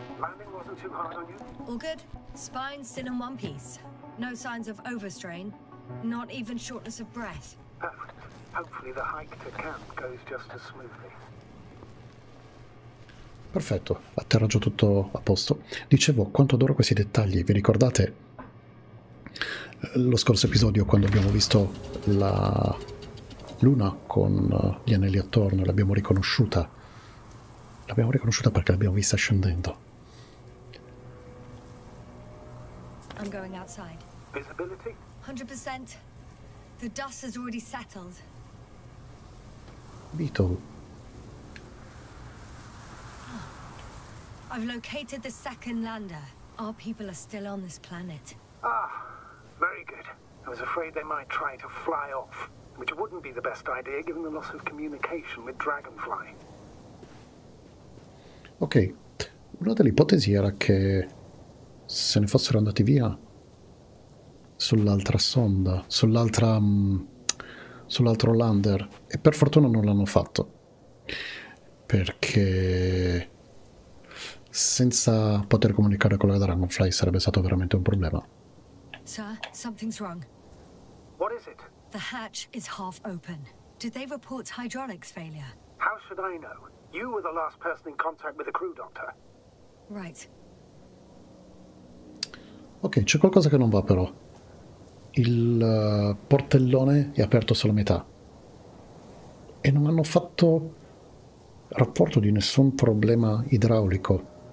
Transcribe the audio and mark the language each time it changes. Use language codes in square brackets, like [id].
[en] Landing wasn't too hard on you? All good. Spine still in one piece. No signs of overstrain. Not even shortness of breath. Perfect. Hopefully the hike to camp goes just as smoothly. [it] Perfetto. Atterraggio tutto a posto. Dicevo, quanto adoro questi dettagli. Vi ricordate lo scorso episodio quando abbiamo visto la Luna con gli anelli attorno? L'abbiamo riconosciuta. L'abbiamo riconosciuta perché l'abbiamo vista scendendo. [en] I'm going outside. Visibility? 100%. The dust has already settled. Beetle. I've located the second lander. Our people are still on this planet. Ah, very good. I was afraid they might try to fly off, which wouldn't be the best idea given the loss of communication with Dragonfly. [it] Ok, una delle ipotesi era che se ne fossero andati via sull'altra sonda, sull'altra, sull'altro lander, e per fortuna non l'hanno fatto, perché senza poter comunicare con la Dragonfly sarebbe stato veramente un problema. [en] Sir, something's wrong. What is it? The hatch is half open. Did they report hydraulics failure? How should I know? You were the last person in contact with the crew, Doctor. Right. [it] Ok, c'è qualcosa che non va però. Il portellone è aperto solo a metà. E non hanno fatto rapporto di nessun problema idraulico.